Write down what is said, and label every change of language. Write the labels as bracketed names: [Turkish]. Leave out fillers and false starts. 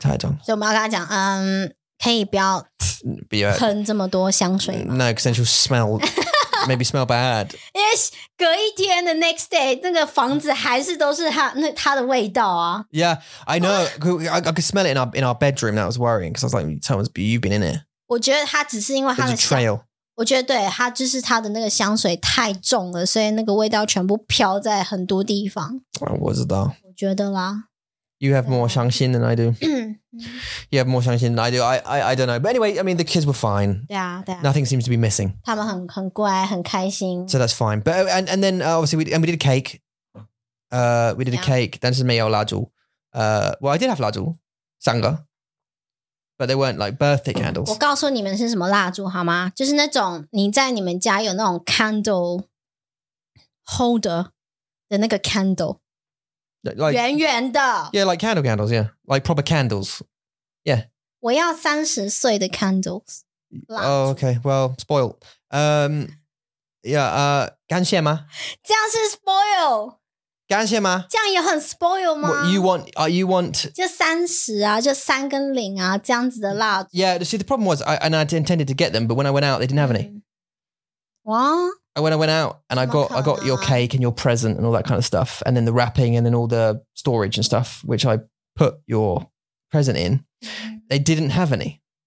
[Chinese] 所以我们要跟他讲 可以不要喷这么多香水吗? [English] No, because then she'll smell, maybe smell bad. [Chinese] Yes, 隔一天, the next day, 那个房子还是都是她的味道啊。 [English] Yeah, I know, I could smell it in our bedroom, that was worrying, because I was like, you've been in it. [Chinese] 我觉得她只是因为她的香水。我觉得对,她就是她的那个香水太重了, 所以那个味道全部飘在很多地方。我知道。我觉得啦。 [English] You have more shangxin than I do. You have more shangxin than I do. I don't know. But anyway, I mean, the kids were fine. Yeah. Nothing seems to be missing. [Chinese] 他们很乖,很开心. [English] So that's fine. But and then obviously, we did a cake. We did a cake. 但是没有蜡烛. Well, I did have 蜡烛.三个. But they weren't like birthday candles. [Chinese] 我告诉你们是什么蜡烛,好吗? 就是那种,你在你们家有那种 candle holder 的那个 candle. [English] Like, [Chinese] 圆圆的 [English] Yeah, like candles, yeah. Like proper candles. Yeah. [Chinese] 我要30岁的 candles. [English] Oh, okay. Well, spoil. Yeah, 干谢吗? [Chinese] 这样是 spoil. 干谢吗? 这样也很 spoil 吗? [English] You want... [Chinese] 就30啊,就3跟0啊, 这样子的蜡烛. [English] Yeah, see, the problem was, I intended to get them, but when I went out, they didn't have any. What? I went out and I got your cake and your present and all that kind of stuff. And then the wrapping and then all the storage and stuff, which I put your present in. They didn't have any.